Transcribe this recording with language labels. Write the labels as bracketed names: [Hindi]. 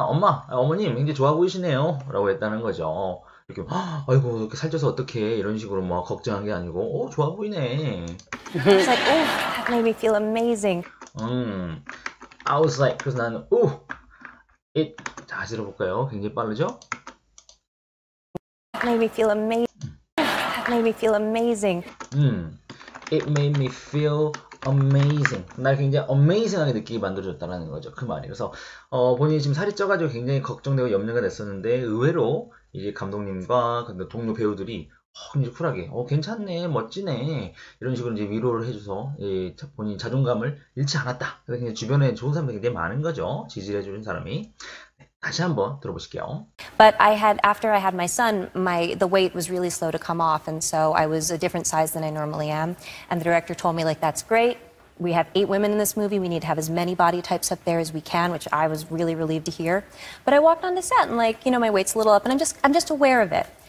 [Korean] 엄마, 어머님, 굉장히 좋아 보이시네요. 라고 했다는 거죠. 이렇게, 아이고, 이렇게 살쪄서 어떡해. 이런 식으로 막 걱정한 게 아니고, 오, 좋아 보이네. [English] It's like, oh, that made me feel amazing. I was like, [Korean] 그래서 나는, [English] oh, it. [Korean] 자, 다시 들어볼까요? 굉장히 빠르죠? [English] That made me feel amazing. That made me feel amazing. It made me feel amazing. [Korean] 날 굉장히 amazing하게 느끼게 만들어줬다는 거죠. 그 말이. 그래서 본인이 지금 살이 쪄가지고 굉장히 걱정되고 염려가 됐었는데 의외로 이제 감독님과 근데 동료 배우들이 굉장히 쿨하게 괜찮네, 멋지네 이런 식으로 이제 위로를 해줘서 본인 자존감을 잃지 않았다. 그래서 굉장히 주변에 좋은 사람들이 굉장히 많은 거죠. 지지를 해주는 사람이. 다시 한번 들어보실게요. [English] But I had after I had my son, my the weight was really slow to come off, and so I was a different size than I normally am. And the director told me like, that's great. We have 8 women in this movie. We need to have as many body types up there as we can, which I was really relieved to hear. But I walked onto set and like, you know, my weight's a little up, and I'm just aware of it.